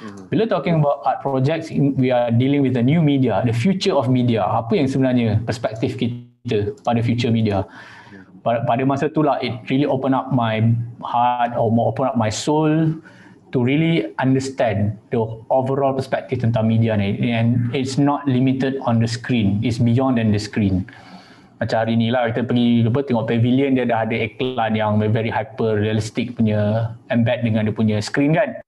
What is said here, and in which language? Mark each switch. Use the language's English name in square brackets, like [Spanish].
[Malay] Bila [English] talking about art projects, we are dealing with the new media, the future of media. [Malay] Apa yang sebenarnya perspektif kita pada future media. Pada masa itulah, [English] it really open up my heart or more open up my soul to really understand the overall perspective [Malay] tentang media ni. [English] And it's not limited on the screen, it's beyond than the screen. [Malay] macam hari ni lah kita pergi apa, tengok pavilion dia dah ada iklan yang [English] very hyper realistic [Malay] punya embed dengan dia punya screen kan.